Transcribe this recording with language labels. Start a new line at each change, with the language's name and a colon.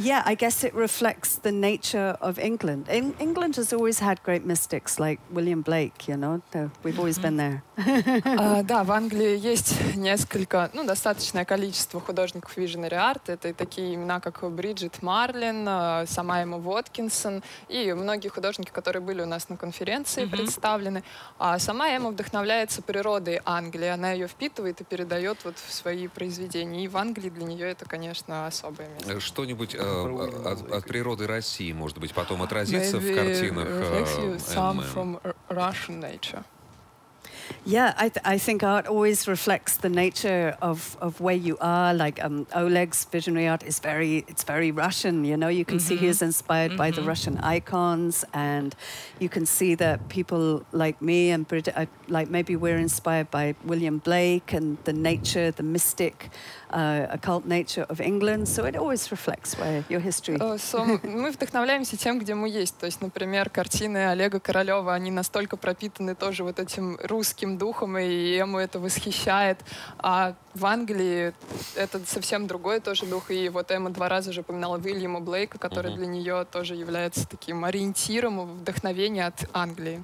English: I guess it reflects the nature of England. England has always had great mystics, like William Blake, you know? We've always been there.
Russian: Да, в Англии есть несколько, ну, достаточное количество художников visionary art. Это такие имена, как Бриджит Марлин, сама Эмма Воткинсон и многие художники, которые были у нас на конференции представлены. А сама Эмма вдохновляется природой Англии. Она ее впитывает и передает вот в свои произведения. И в Англии для нее это, конечно, особое место. Что-нибудь от природы России, может быть, потом отразится в картинах
English: Some from Russian nature. Yeah, I think art always reflects the nature of where you are. Like Oleg's visionary art is very Russian. You know, you can see he is inspired by the Russian icons, and you can see that people like me and Bridget, like maybe we're inspired by William Blake and the nature, the mystic, occult nature of England. So it always reflects where your history.
Russian: Мы вдохновляемся тем, где мы есть. То есть, например, картины Олега Королёва, они настолько пропитаны тоже вот этим русским духом, и ему это восхищает. А в Англии это совсем другой тоже дух. И вот Эмма два раза уже упоминала Уильяма Блейка, который для нее тоже является таким ориентиром вдохновения от Англии.